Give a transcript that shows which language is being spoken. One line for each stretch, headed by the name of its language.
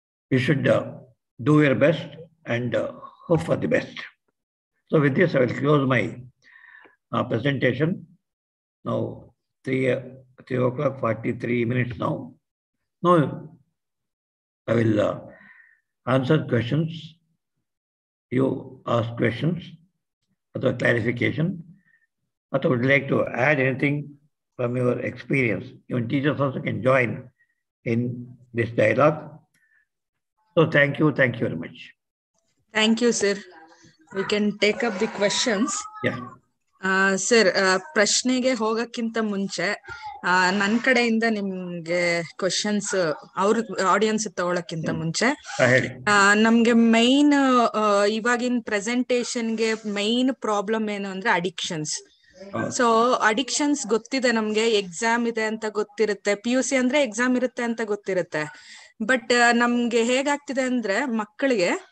English: You should do your best and hope for the best so with this I will close my presentation ನಾವು three o'clock 43 minutes ನಾವು now I will answer questions you ask questions ಅಥವಾ clarification But I would like to add anything from your experience. Even teachers also can join in this dialogue. So thank you very much. Thank you, sir. We can take up the questions. Yeah.
Kannada: Sir ಪ್ರಶ್ನೆಗೆ ಹೋಗಕ್ಕಿಂತ ಮುಂಚೆ ನನ್ನ ಕಡೆಯಿಂದ ನಿಮ್ಗೆ questions ಅವ್ರ audience ತಗೊಳಕ್ಕಿಂತ ಮುಂಚೆ ನಮ್ಗೆ main ಇವಾಗಿನ ಪ್ರೆಸೆಂಟೇಷನ್ಗೆ main problem ಏನು ಅಂದ್ರೆ ಅಡಿಕ್ಷನ್ಸ್ ಸೊ ಅಡಿಕ್ಷನ್ಸ್ ಗೊತ್ತಿದೆ ನಮ್ಗೆ ಎಕ್ಸಾಮ್ ಇದೆ ಅಂತ ಗೊತ್ತಿರುತ್ತೆ ಪಿ ಯು ಸಿ ಅಂದ್ರೆ ಎಕ್ಸಾಮ್ ಇರುತ್ತೆ ಅಂತ ಗೊತ್ತಿರುತ್ತೆ ಬಟ್ ನಮ್ಗೆ ಹೇಗಾಗ್ತಿದೆ ಅಂದ್ರೆ ಮಕ್ಕಳಿಗೆ